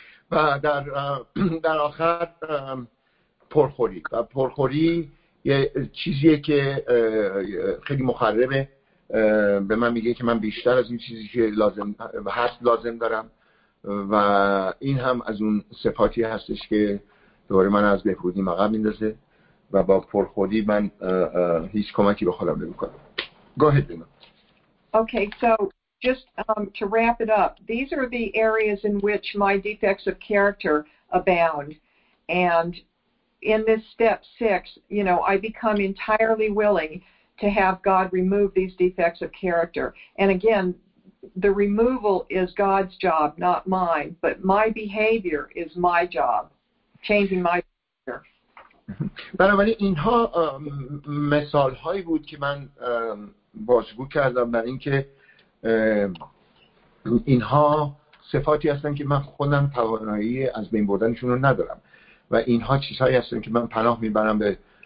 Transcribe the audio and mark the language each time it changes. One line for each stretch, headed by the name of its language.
Persian: و در آخر پرخوری و پرخوری یه چیزیه که خیلی مخربه به من میگه که من بیشتر از این چیزی که لازم هست لازم دارم و این هم از اون صفاتی هستش که دوباره من از بهبودی عقب میندازه و با پرخوری من هیچ کمکی به خودم نمیکنم.
English: Go ahead. Okay, so just to wrap it up, these are the areas in which my defects of character abound. And in this step six, you know, I become entirely willing to have God remove these defects of character. And again, the removal is God's job, not mine. But my behavior is my job, changing my behavior.
Persian: بنابراین اینها مثال هایی بود که من بازگو کردم برای اینکه اینها صفاتی هستن که من خودم توانایی از بین بردنشون رو ندارم و اینها چیزهایی هستن که من پناه میبرم به